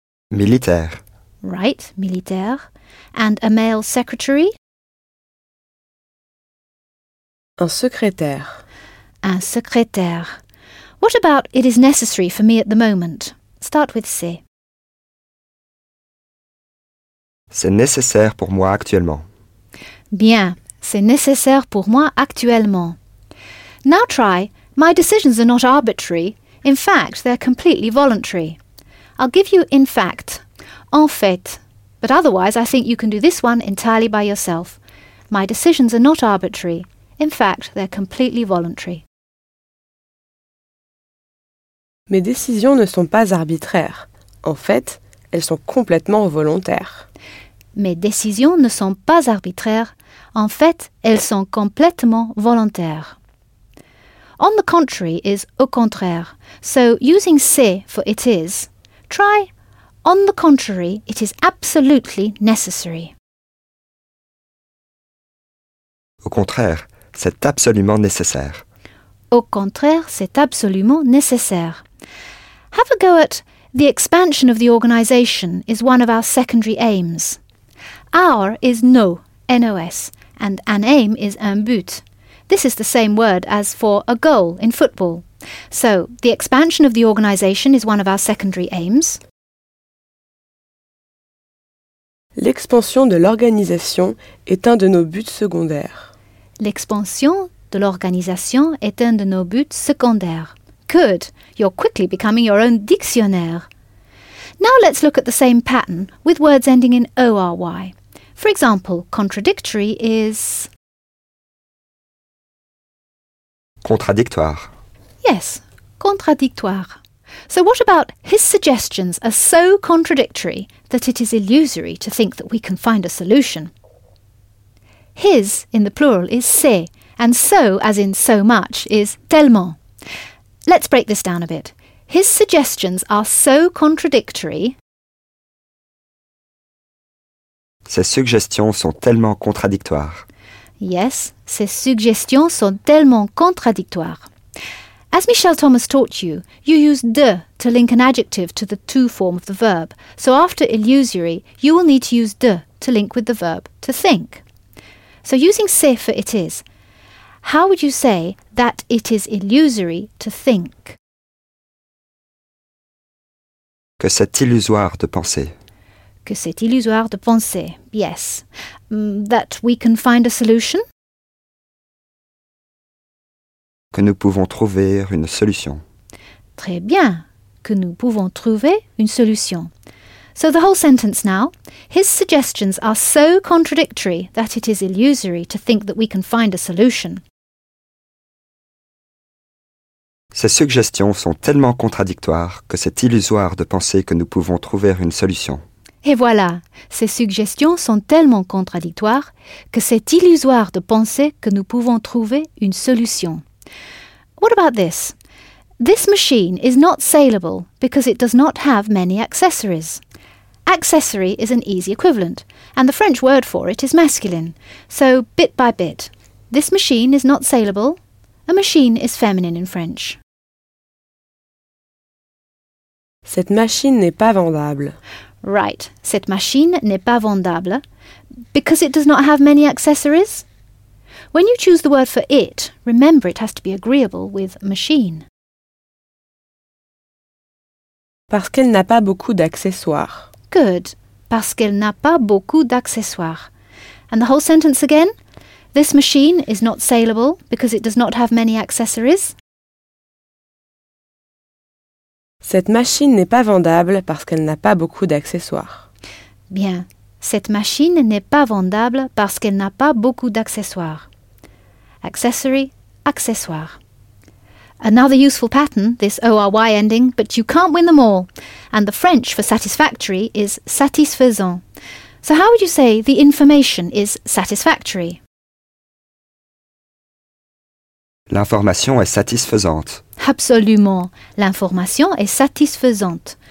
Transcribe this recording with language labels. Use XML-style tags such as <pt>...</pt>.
<fr>Militaire.</fr> <en>Right, militaire. And a male secretary?</en> <fr>Un secrétaire. Un secrétaire.</fr> <en>What about it is necessary for me at the moment? Start with C.</en> <fr>C'est nécessaire pour moi actuellement. Bien, c'est nécessaire pour moi actuellement.</fr> <en>Now try, my decisions are not arbitrary. In fact, they're completely voluntary. I'll give you in fact. En fait. But otherwise, I think you can do this one entirely by yourself. My decisions are not arbitrary. In fact, they're completely voluntary.</en> <fr>Mes décisions ne sont pas arbitraires. En fait, elles sont complètement volontaires. Mes décisions ne sont pas arbitraires. En fait, elles sont complètement volontaires.</fr> <en>On the contrary is au contraire. So, using c'est for it is, try on the contrary, it is absolutely necessary.</en> <fr>Au contraire, c'est absolument nécessaire. Au contraire, c'est absolument nécessaire.</fr> <en>Have a go at the expansion of the organization is one of our secondary aims. Our is no, N-O-S, and an aim is un but. This is the same word as for a goal in football. So, the expansion of the organization is one of our secondary aims.</en> <fr>L'expansion de l'organisation est un de nos buts secondaires. L'expansion de l'organisation est un de nos buts secondaires.</fr> <en>Good. You're quickly becoming your own dictionnaire. Now let's look at the same pattern with words ending in O-R-Y. For example, contradictory is...</en> <fr>contradictoire. Yes, contradictoire.</fr> <en>So what about his suggestions are so contradictory that it is illusory to think that we can find a solution? His, in the plural, is ses, and so, as in so much, is tellement. Let's break this down a bit. His suggestions are so contradictory.</en> <fr>Ses suggestions sont tellement contradictoires. Yes, ses suggestions sont tellement contradictoires.</fr> <en>As Michel Thomas taught you, you use de to link an adjective to the to form of the verb. So after illusory, you will need to use de to link with the verb to think. So using c'est for it is, how would you say that it is illusory to think?</en> <fr>Que c'est illusoire de penser. Que c'est illusoire de penser, yes.</fr> <en>That we can find a solution?</en> <fr>Que nous pouvons trouver une solution. Très bien. Que nous pouvons trouver une solution.</fr> <en>So the whole sentence now. His suggestions are so contradictory that it is illusory to think that we can find a solution.</en> <fr>Ses suggestions sont tellement contradictoires que c'est illusoire de penser que nous pouvons trouver une solution. Et voilà. Ses suggestions sont tellement contradictoires que c'est illusoire de penser que nous pouvons trouver une solution.</fr> <en>What about this? This machine is not saleable because it does not have many accessories. Accessory is an easy equivalent, and the French word for it is masculine. So, bit by bit. This machine is not saleable. A machine is feminine in French.</en> <fr>Cette machine n'est pas vendable.</fr> <en>Right.</en> <fr>Cette machine n'est pas vendable</fr> <en>because it does not have many accessories. When you choose the word for it, remember it has to be agreeable with machine.</en> <fr>Parce qu'elle n'a pas beaucoup d'accessoires.</fr> <en>Good.</en> <fr>Parce qu'elle n'a pas beaucoup d'accessoires.</fr> <en>And the whole sentence again? This machine is not saleable because it does not have many accessories.</en> <fr>Cette machine n'est pas vendable parce qu'elle n'a pas beaucoup d'accessoires. Bien. Cette machine n'est pas vendable parce qu'elle n'a pas beaucoup d'accessoires. Accessory, accessoire.</fr> <en>Another useful pattern, this O-R-Y ending, but you can't win them all. And the French for satisfactory is satisfaisant. So how would you say the information is satisfactory?</en> <fr>L'information est satisfaisante. Absolument. L'information est satisfaisante.</fr>